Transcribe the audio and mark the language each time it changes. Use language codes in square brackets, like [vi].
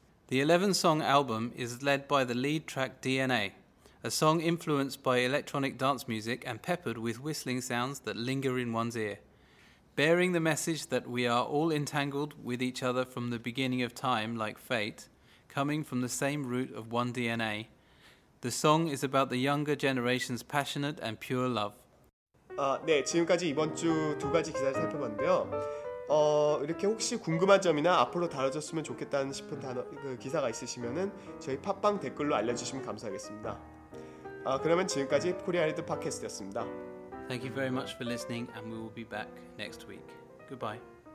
[en] The 11-song album is led by the lead track DNA, a song influenced by electronic dance music and peppered with whistling sounds that linger in one's ear. bearing the message that we are all entangled with each other from the beginning of time, like fate, coming from the same root of one DNA. The song is about the younger generation's passionate and pure love. [ko] 아, 네, 지금까지 이번 주 두 가지 기사를 살펴봤는데요. 이렇게 혹시 궁금한 점이나 앞으로 다뤄졌으면 좋겠다는 싶은 단어, 그 기사가 있으시면은 저희 팟빵 댓글로 알려주시면 감사하겠습니다. 아, 그러면 지금까지 코리아 리드 팟캐스트였습니다. [en] Thank you very much for listening, and we will be back next week. Goodbye.